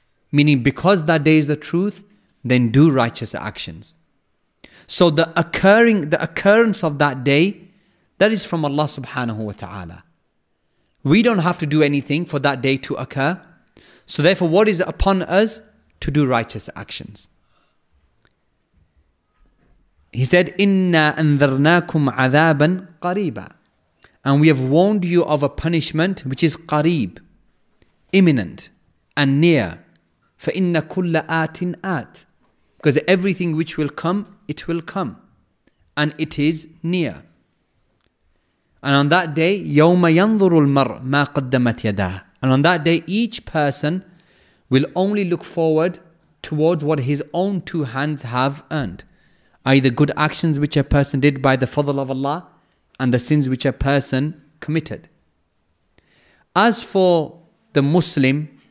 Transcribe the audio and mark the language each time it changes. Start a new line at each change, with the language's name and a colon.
English: Meaning, because that day is the truth, then do righteous actions. So the occurrence of that day, that is from Allah subhanahu wa ta'ala. We don't have to do anything for that day to occur. So therefore, what is upon us? To do righteous actions. He said,
Arabic: إِنَّا أَنذَرْنَاكُمْ عَذَابًا قَرِيبًا.
English: And we have warned you of a punishment which is qareeb, imminent and near.
Arabic: فَإِنَّ كُلَّ آتٍ آت.
English: Because everything which will come, it will come. And it is near. And on that day,
Arabic: يَوْمَ يَنْظُرُ الْمَرْءُ مَا قَدَّمَتْ يَدَاهُ.
English: And on that day, each person will only look forward towards what his own two hands have earned, i.e. the good actions which a person did by the fadl of Allah and the sins which a person committed. As for the Muslim